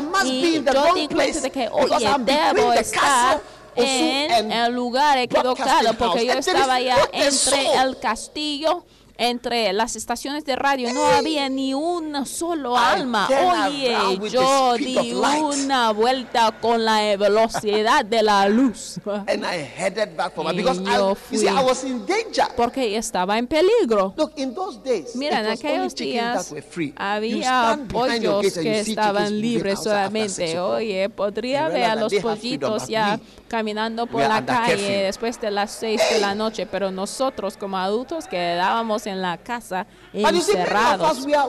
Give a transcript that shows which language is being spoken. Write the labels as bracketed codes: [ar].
[es] Y yo di cuenta de que, oye, debo estar en el lugar equivocado, porque yo estaba ya entre el castillo, entre las estaciones de radio no había ni una solo alma. Oye, yo di una vuelta con la velocidad de la luz. [en] And I headed back for because I was in danger. [es] Porque estaba en peligro. [en] Look, in those days, [es] mira, en aquellos días había pollos que estaban libres solamente. Oye, podría ver a los pollitos ya caminando por la calle después de las 6 de la noche, pero nosotros como adultos quedábamos en la casa encerrados.